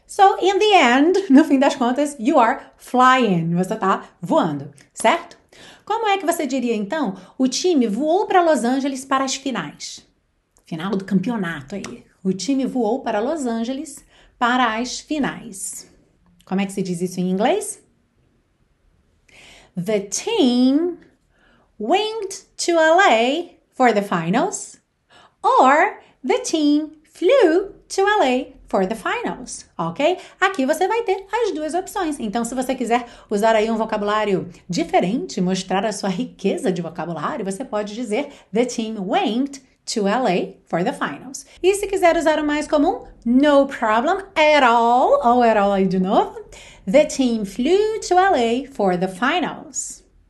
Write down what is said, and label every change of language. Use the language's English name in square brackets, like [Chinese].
[English] So, in the end, [Portuguese] no fim das contas, [English] you are flying, [Portuguese] você está voando, certo? Como é que você diria então? O time voou para Los Angeles para as finais. Final do campeonato aí. O time voou para Los Angeles para as finais. Como é que se diz isso em inglês? [English] The team winged to LA for the finals, or the team flew to LA for the finals, ok? [Portuguese] Aqui você vai ter as duas opções. Então, se você quiser usar aí um vocabulário diferente, mostrar a sua riqueza de vocabulário, você pode dizer [English] the team winged to LA for the finals. [Portuguese] E se quiser usar o mais comum, [English] no problem at all, [Portuguese] ou at all aí de novo, [English] the team flew to LA for the finals.